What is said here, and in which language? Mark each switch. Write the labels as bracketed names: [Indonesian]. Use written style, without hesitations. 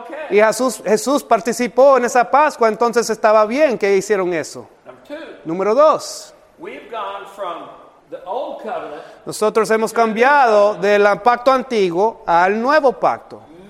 [Spanish] Y Jesús participó en esa Pascua, entonces estaba bien que hicieron eso. Número dos. [English] We've gone from the old covenant, [Spanish] nosotros hemos cambiado del pacto antiguo al nuevo pacto.